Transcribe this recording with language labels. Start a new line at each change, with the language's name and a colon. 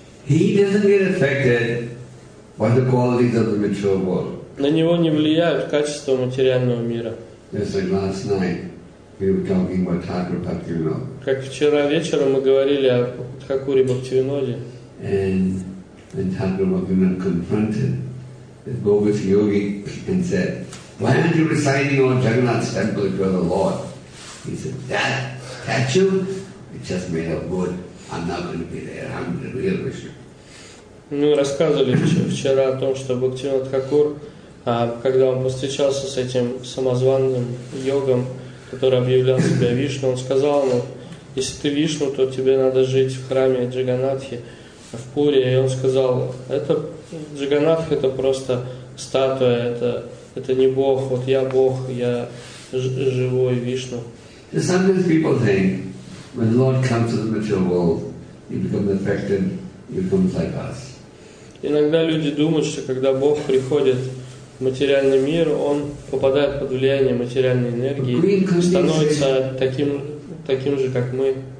Russian: На Него не влияют качества материального мира. Как вчера вечером мы говорили о Тхакуре Бхактивиноде.
English: And Thakur Bhaktivinoda confronted the bogus yogi and said, why aren't you reciting on Jagannath's temple if you're the Lord? He said, that statue, it's just made of wood. I'm not going to be there. I'm the real Vishnu.
Russian: Ну, рассказывали вчера о том, что Бхактивинода Тхакур, когда он повстречался с этим самозванным йогом, который объявлял себя Вишну, он сказал ему, если ты Вишну, то тебе надо жить в храме Джаганатхи, в Пуре. И он сказал, это Джаганатха — это просто статуя, это не Бог, вот я Бог, я живой Вишну.
English: Sometimes people think, when the Lord comes to the material world, you become affected, you become like us.
Russian: Иногда люди думают, что когда Бог приходит в материальный мир, Он попадает под влияние материальной энергии и становится таким же, как мы.